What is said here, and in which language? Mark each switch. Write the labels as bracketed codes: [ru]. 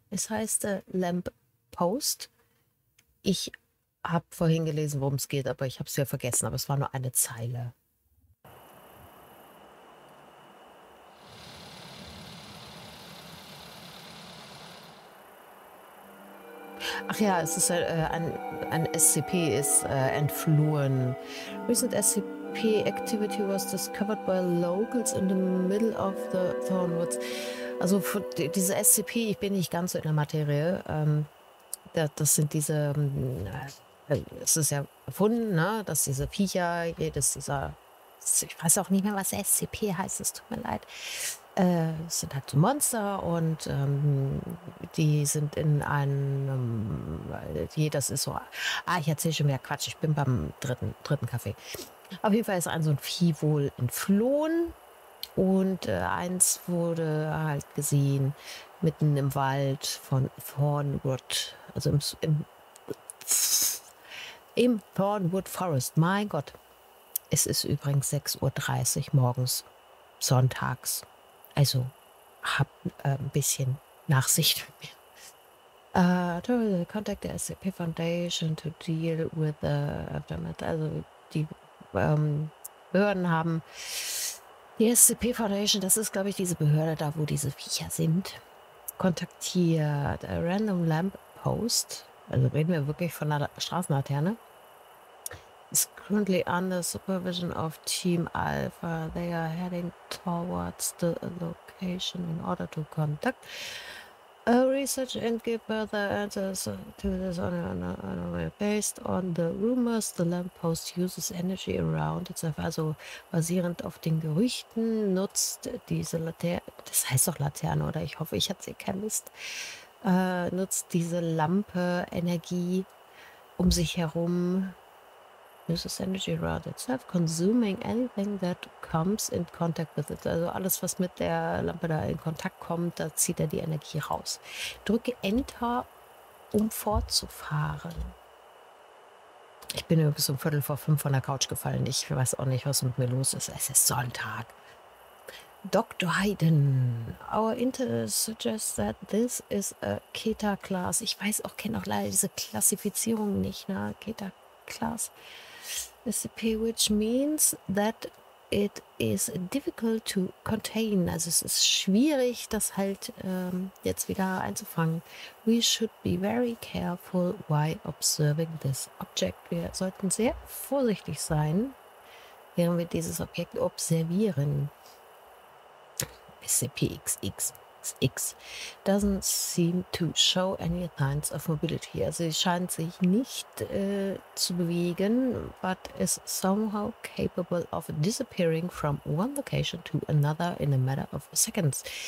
[de] Es heißt Lamppost. Ich habe vorhin gelesen, worum es geht, aber ich habe es ja vergessen. Aber es war nur eine Zeile. Ach ja, es ist ein SCP ist entflohen. [en] Recent SCP activity was discovered by locals in the middle of the Thornwoods. [de] Also diese SCP, ich bin nicht ganz so in der Materie. Das sind diese, es ist ja erfunden, ne? Dass diese Viecher, jedes dieser, ich weiß auch nicht mehr, was SCP heißt, es tut mir leid. Es sind halt so Monster und die sind in einem, das ist so, ah, ich erzähle schon mehr Quatsch, ich bin beim dritten Kaffee. Auf jeden Fall ist ein so ein Vieh wohl entflohen und eins wurde halt gesehen mitten im Wald von Thornwood, also im Thornwood Forest. Mein Gott, es ist übrigens 6:30 Uhr morgens, sonntags. Also hab ein bisschen Nachsicht mit mir. [en] Contact the SCP Foundation to deal with the aftermath. [de] Also die Behörden haben die SCP Foundation, das ist glaube ich diese Behörde da, wo diese Viecher sind, kontaktiert. [en] A random lamp post. [de] Also reden wir wirklich von einer Straßenlaterne. [en] Is currently under supervision of Team Alpha. They are heading towards the location in order to conduct a research and give further answers to this anomaly. Based on the rumors, the lamppost uses energy around itself. [de] Also basierend auf den Gerüchten nutzt diese Laterne, das heißt doch Laterne, oder? Ich hoffe, ich hatte sie erkannt. Nutzt diese Lampe Energie um sich herum. [en] Uses energy around itself, consuming anything that comes in contact with it. [de] Also alles, was mit der Lampe da in Kontakt kommt, da zieht er die Energie raus. Drücke Enter, um fortzufahren. Ich bin übrigens um 4:45 von der Couch gefallen. Ich weiß auch nicht, was mit mir los ist. Es ist Sonntag. Dr. [en] Hayden, our interest suggests that this is a Keter Class. [de] Ich weiß auch, kenne auch leider diese Klassifizierung nicht, ne? [en] Keter Class. SCP, which means that it is difficult to contain. [de] Also es ist schwierig, das halt jetzt wieder einzufangen. [en] We should be very careful while observing this object. [de] Wir sollten sehr vorsichtig sein, während wir dieses Objekt observieren. [en] SCP-XX. X doesn't seem to show any signs of mobility. [de] Also sie scheint sich nicht zu bewegen, [en] but is somehow capable of disappearing from one location to another in a matter of seconds.